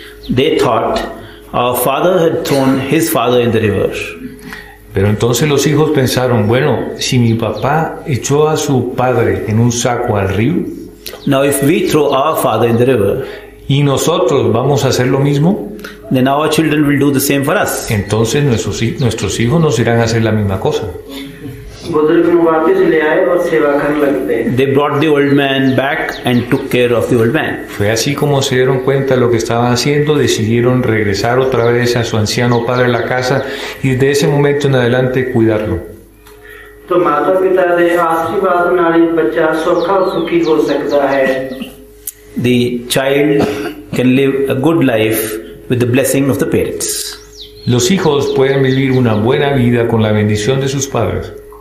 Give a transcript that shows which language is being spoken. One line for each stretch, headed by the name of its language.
English: They thought our father had thrown his father in the river.
Spanish: Pero entonces los hijos pensaron, bueno, si mi papá echó a su padre en un saco al río,
English: now if we throw our father in the river,
Spanish: y nosotros vamos a hacer lo mismo,
English: then our children will do the same for us.
Spanish: Entonces nuestros hijos nos irán a hacer la misma cosa.
English: They brought the old man back and took care of the old man.
Spanish: Fue así como se dieron cuenta de lo que estaban haciendo, decidieron regresar otra vez a su anciano padre a la casa y desde ese momento en adelante cuidarlo.
English: The child can live a good life with the blessing of the parents.
Spanish: Los hijos pueden vivir una buena vida con la bendición de sus padres.